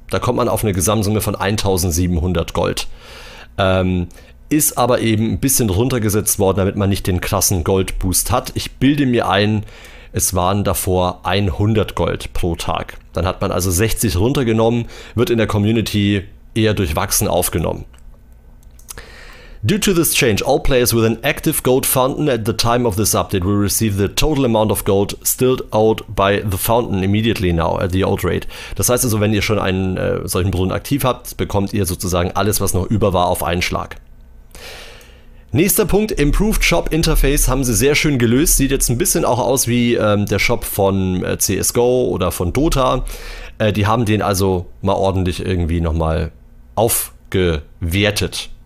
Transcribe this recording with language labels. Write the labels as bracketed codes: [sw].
[de] Da kommt man auf eine Gesamtsumme von 1700 Gold. Ist aber eben ein bisschen runtergesetzt worden, damit man nicht den krassen Goldboost hat. Ich bilde mir ein, es waren davor 100 Gold pro Tag. Dann hat man also 60 runtergenommen, wird in der Community eher durchwachsen aufgenommen. [en] Due to this change, all players with an active gold fountain at the time of this update will receive the total amount of gold still owed by the fountain immediately now at the old rate. [de] Das heißt also, wenn ihr schon einen solchen Brunnen aktiv habt, bekommt ihr sozusagen alles, was noch über war, auf einen Schlag. Nächster Punkt, Improved Shop Interface haben sie sehr schön gelöst. Sieht jetzt ein bisschen auch aus wie der Shop von CSGO oder von Dota. Die haben den also mal ordentlich irgendwie nochmal aufgewertet.